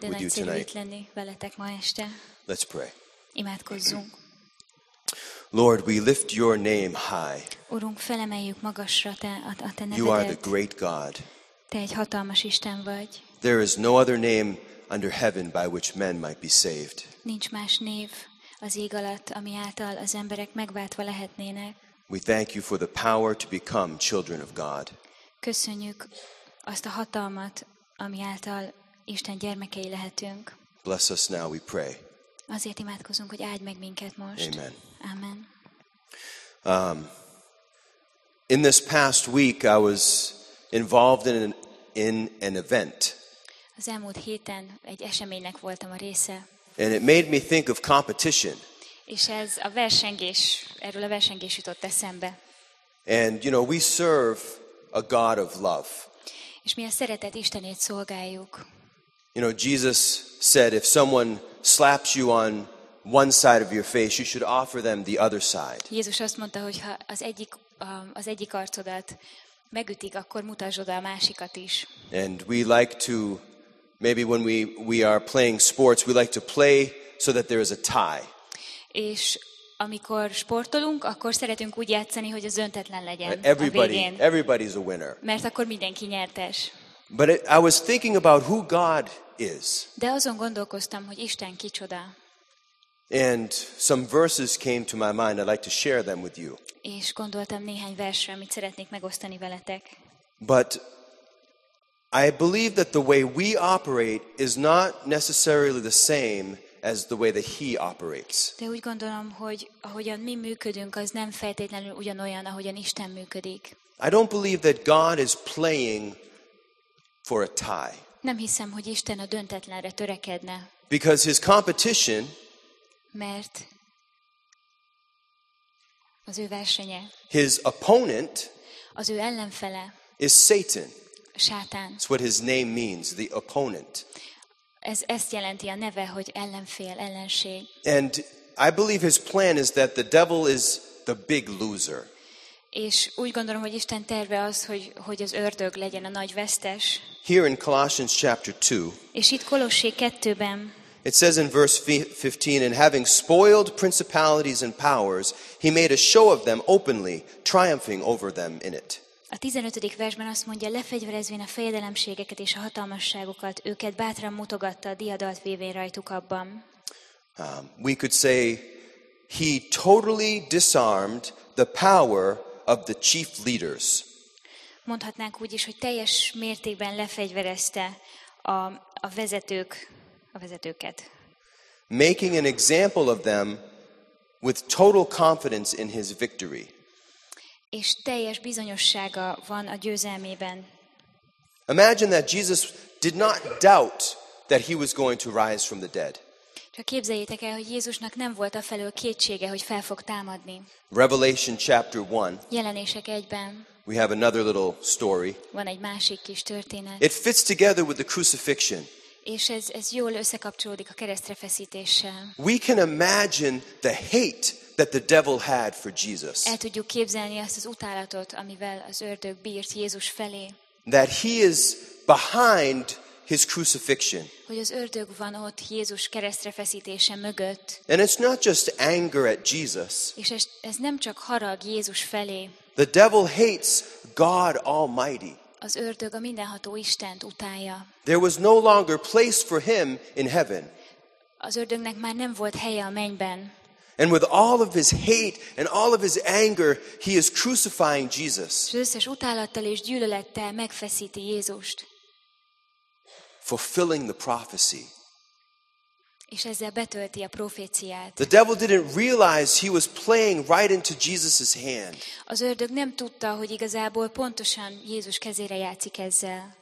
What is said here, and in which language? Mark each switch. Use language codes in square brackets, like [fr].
[hu] De nagy célú itt lenni veletek ma este. [en] Let's pray. [hu] Imádkozzunk. [en] Lord, we lift your name high. [hu] Urunk, felemeljük magasra a te nevedet. [en] You are the great God. [hu] Te egy hatalmas Isten vagy. [en] There is no other name under heaven by which men might be saved. [hu] Nincs más név az ég alatt, ami által az emberek megváltva lehetnének. [en] We thank you for the power to become children of God. [hu] Köszönjük azt a hatalmat, ami által Isten gyermekei lehetünk. [en] Bless us now, we pray. [hu] Azért imádkozunk, hogy áldj meg minket most. [en] Amen. [hu] Amen. [en] In this past week I was involved in an event. [hu] Az elmúlt héten egy eseménynek voltam a része. [en] And it made me think of competition. [hu] És ez a versengés, erről a versengés jutott eszembe. [en] And you know, we serve a God of love. [hu] És mi a szeretet Istenét szolgáljuk. [en] You know, Jesus said if someone slaps you on one side of your face, you should offer them the other side. [hu] Jézus azt mondta, hogy ha az egyik arcodat megütik, akkor mutasd oda a másikat is. [en] And we like to, maybe when we are playing sports, we like to play so that there is a tie. [hu] És amikor sportolunk, akkor szeretünk úgy játszani, hogy az öntetlen legyen [en] everybody, [hu] a végén. [en] Everybody's a winner. [hu] Mert akkor mindenki nyertes. [en] But I was thinking about who God is. [hu] De azon gondolkoztam, hogy Isten kicsoda. [en] And some verses came to my mind. I'd like to share them with you. [hu] És gondoltam néhány versre, amit szeretnék megosztani veletek. [en] But I believe that the way we operate is not necessarily the same as the way that he operates. [hu] De úgy gondolom, hogy ahogyan mi működünk, az nem feltétlenül ugyanolyan, ahogyan Isten működik. [en] I don't believe that God is playing for a tie. [hu] Nem hiszem, hogy Isten a döntetlenre törekedne. [en] Because his competition, [hu] mert az ő versenye, [en] his opponent, [hu] az ő ellenfele, [en] is Satan. [hu] Sátán. [en] It's what his name means, the opponent. [hu] Ezt jelenti a neve, hogy ellenfél, ellenség. [en] And I believe his plan is that the devil is the big loser. [hu] És úgy gondolom, hogy Isten terve az, hogy az ördög legyen a nagy vesztes. [en] Here in Colossians chapter 2. [hu] És itt Kolossé 2-ben. [en] It says in verse 15, and having spoiled principalities and powers, he made a show of them openly, triumphing over them in it. [hu] A 15. versben azt mondja, lefegyverezvén a fejedelemségeket és a hatalmasságokat, őket bátran mutogatta, diadalt vévén rajtuk abban. [en] We could say he totally disarmed the power of the chief leaders. [hu] Mondhatnánk úgy is, hogy teljes mértékben lefegyverezte a vezetőket. [en] Making an example of them with total confidence in his victory. [hu] És teljes bizonyossága van a győzelmében. [en] Imagine that Jesus did not doubt that he was going to rise from the dead. [hu] Csak képzeljétek el, hogy Jézusnak nem volt a felől kétsége, hogy fel fog támadni. [en] Revelation chapter 1. [hu] Jelenések 1-ben. [en] We have another little story. [hu] Van egy másik kis történet. [en] It fits together with the crucifixion. [hu] És ez jól összekapcsolódik a keresztre feszítéssel. [en] We can imagine the hate that the devil had for Jesus. [hu] El tudjuk képzelni azt az utálatot, amivel az ördög bírt Jézus felé. [en] That he is behind his crucifixion. [hu] Hogy az ördög van ott Jézus keresztre feszítése mögött. [en] And it's not just anger at Jesus. [hu] És ez nem csak harag Jézus felé. [en] The devil hates God Almighty. [hu] Az ördög a mindenható Istent utálja. [en] There was no longer place for him in heaven. [hu] Az ördögnek már nem volt helye a mennyben. [en] And with all of his hate and all of his anger, he is crucifying Jesus. [hu] Összes utálattal és gyűlölettel megfeszíti Jézust. [en] Fulfilling the prophecy. [hu] És ezzel betölti a proféciát. [en] The devil didn't realize he was playing right into Jesus's hand. [hu] Az ördög nem tudta, hogy igazából pontosan Jézus kezére játszik ezzel.